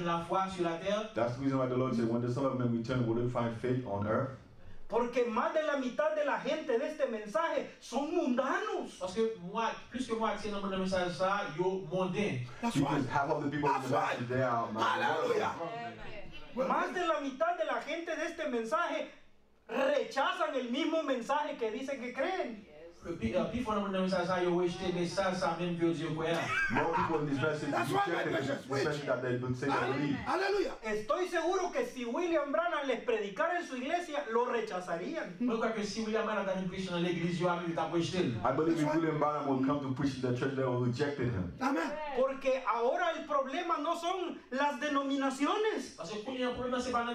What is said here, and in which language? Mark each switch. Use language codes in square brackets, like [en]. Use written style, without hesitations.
[en] That's the reason why the Lord said, when the Son of Man returns, will he find faith on earth? [es] Porque más de la mitad de la gente de este mensaje son mundanos. [en] Because half of the people in the church, they are [es] mundanos. Más de la mitad de la gente de este mensaje rechazan el mismo mensaje que dicen que creen. Estoy seguro que si William Branham les predicara en su iglesia, lo rechazarían. [en] I believe if William Branham would come to preach in the church, they would reject him. Amen. [es] Porque ahora el problema no son las denominaciones.